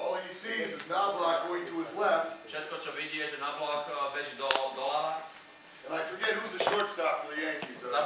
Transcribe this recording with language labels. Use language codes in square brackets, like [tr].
[en] sees is Knobloch going to his left. [sk] Všetko, čo vidie, že Knobloch beží do ľava. [en] And I forget who's the shortstop for the Yankees.